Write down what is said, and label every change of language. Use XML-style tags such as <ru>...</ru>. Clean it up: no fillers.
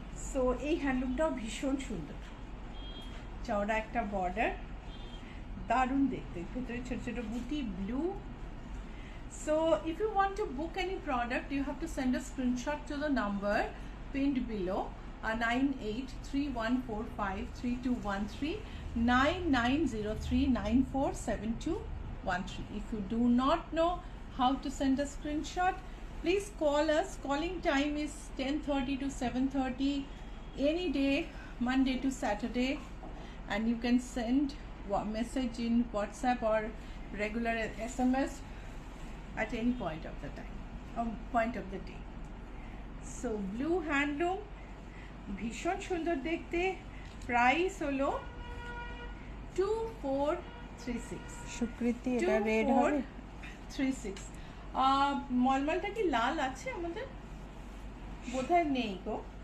<bn>So এই হ্যান্ডলুমটাও ভীষণ সুন্দর, চওড়া একটা বর্ডার, দারুণ দেখতে, ভেতরে ছোটো ছোটো বুটি blue.</bn> <en>So if you want to book any product, you have to send a screenshot to the number pinned below, 9831453213 9903947213. If you do not know how to send a screenshot, please call us. Calling time is 10:30 to 7:30 any day, Monday to Saturday, and you can send message in WhatsApp or regular SMS at any point of the time or point of the day. So blue handloom,</en> <bn>ভীষণ সুন্দর দেখতে, price হলো 2436. মলমলটা কি লাল আছে আমাদের? বোধহয় নেই গো.</bn>